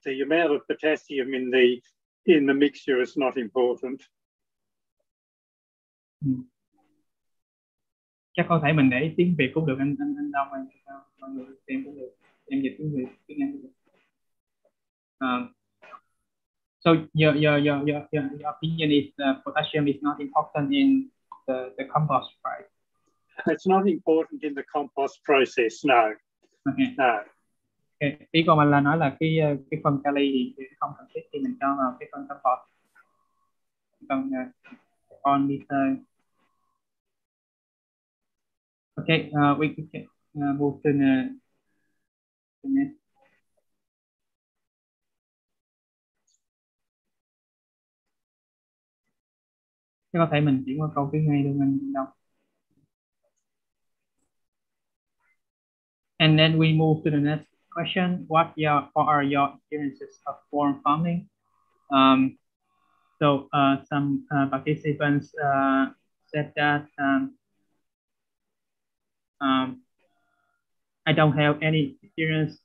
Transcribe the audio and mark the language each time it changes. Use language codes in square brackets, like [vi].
[en] The amount of potassium in the mixture is not important. [vi] Chắc có thể mình để tiếng Việt cũng được, anh Đông, anh sao mọi người xem cũng được, em dịch tiếng Việt tiếng Anh cũng được. [en] So your opinion is potassium is not important in the compost, right? It's not important in the compost process, no. Okay. [vi] Ý của mình là nói là cái phần kali thì không cần thiết khi mình cho vào cái phần compost. Còn on meter. [en] Okay, we can move to the next. [vi] Chắc có thể mình chuyển qua câu thứ hai luôn anh Đông. [en] And then we move to the next question. What are your experiences of form farming? So some participants said that I don't have any experience.